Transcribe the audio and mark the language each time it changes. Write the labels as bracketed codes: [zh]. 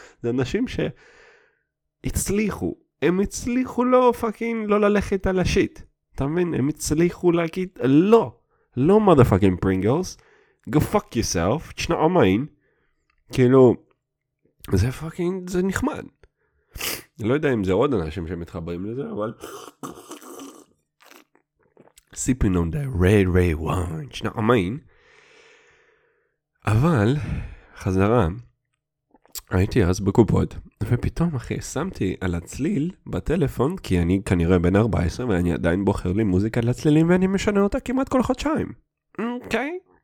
[he] זה אנשים שהצליחו. הם הצליחו לא פאקינג לא ללכת על השיט. אתה מבין? הם הצליחו להגיד, לא. לא [en] motherfucking פרינגלס. Go fuck yourself. It's not all mine. [he] כאילו, זה פאקינג, זה נחמד. לא יודע אם זה עוד אנשים שמתחברים לזה, אבל... [en] sipping on the red wine, it's not mine. [he] אבל, חזרה, הייתי אז בקופות, ופתאום אחי, שמתי על הצליל בטלפון, כי אני כנראה בן 14, ואני עדיין בוחר לי מוזיקה לצלילים, ואני משנה אותה כמעט כל חודשיים. אוקיי?